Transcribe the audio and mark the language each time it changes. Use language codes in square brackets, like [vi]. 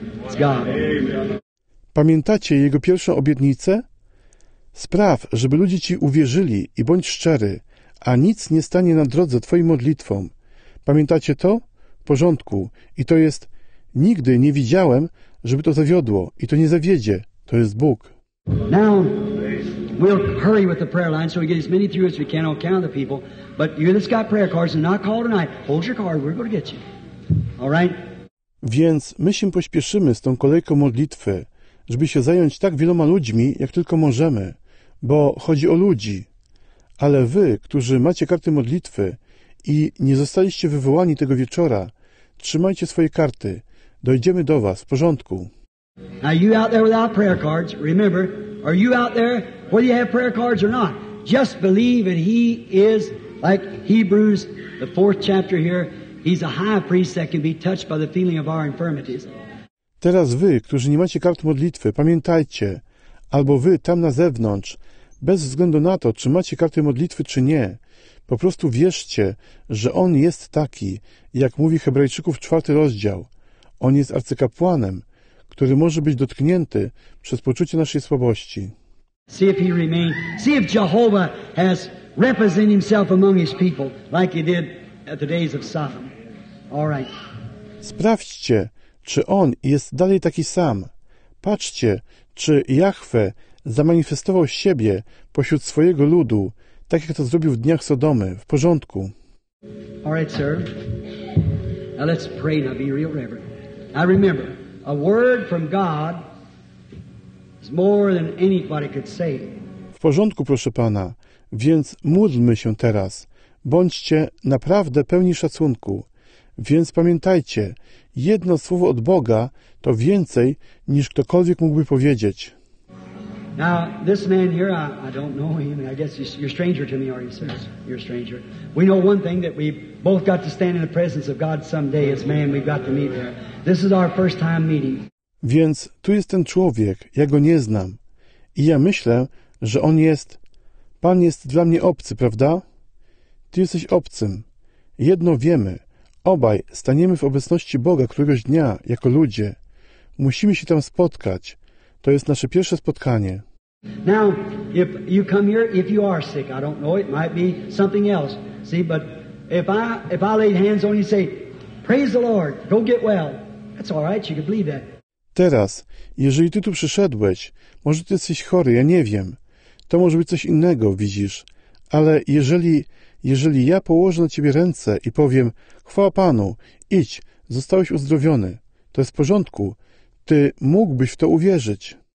[en] It's God. [pl] Pamiętacie jego pierwszą obietnicę? Spraw, żeby ludzie ci uwierzyli i bądź szczery, a nic nie stanie na drodze twoim modlitwom. Pamiętacie to? W porządku. I to jest, nigdy nie widziałem, żeby to zawiodło. I to nie zawiedzie. To jest Bóg. [en] Now, we'll hurry with the prayer line so we get as many through as we can on count of the people. But you that's got prayer cards and not called tonight, hold your card, we're going to get you. All right? [pl] Więc my się pośpieszymy z tą kolejką modlitwy, żeby się zająć tak wieloma ludźmi, jak tylko możemy, bo chodzi o ludzi. Ale wy, którzy macie karty modlitwy i nie zostaliście wywołani tego wieczora, trzymajcie swoje karty. Dojdziemy do was, w porządku. [en] Now you out there without prayer cards, remember, are you out there, whether you have prayer cards or not, just believe that he is like Hebrews, the fourth chapter here, he's a high priest that can be touched by the feeling of our infirmities. [pl] Teraz wy, którzy nie macie kart modlitwy, pamiętajcie, albo wy tam na zewnątrz, bez względu na to, czy macie karty modlitwy, czy nie, po prostu wierzcie, że On jest taki, jak mówi Hebrajczyków 4 rozdział. On jest arcykapłanem, który może być dotknięty przez poczucie naszej słabości. [en] See if he remains. See if Jehovah has represented himself among his people, like he did at the days of Sodom. All right. [pl] Sprawdźcie, czy On jest dalej taki sam. Patrzcie, czy Jahwe zamanifestował siebie pośród swojego ludu, tak jak to zrobił w dniach Sodomy. W porządku. [en] All right, sir. Now let's pray now, be real reverent. I remember, a word from God is more than anybody could say. [pl] W porządku, proszę Pana. Więc módlmy się teraz. Bądźcie naprawdę pełni szacunku. Więc pamiętajcie, jedno słowo od Boga to więcej niż ktokolwiek mógłby powiedzieć. [en] Now, this man here, I don't know him. I guess you're a stranger to me, are you, sir? You're a stranger. We know one thing, that we both got to stand in the presence of God someday as man. We've got to meet there. This is our first time meeting. [pl] Więc tu jest ten człowiek, ja go nie znam. I ja myślę, że on jest... Pan jest dla mnie obcy, prawda? Ty jesteś obcym. Jedno wiemy. Obaj staniemy w obecności Boga któregoś dnia, jako ludzie. Musimy się tam spotkać. To jest nasze pierwsze spotkanie. [en] Now, if you come here, if you are sick, I don't know, it might be something else. See, but if I laid hands on you and say, praise the Lord, go get well. That's all right, you can believe that. [pl] Teraz, jeżeli ty tu przyszedłeś, może ty jesteś chory, ja nie wiem. To może być coś innego, widzisz. Ale jeżeli ja położę na ciebie ręce i powiem, chwała Panu, idź, zostałeś uzdrowiony, to jest w porządku. Ty mógłbyś w to uwierzyć.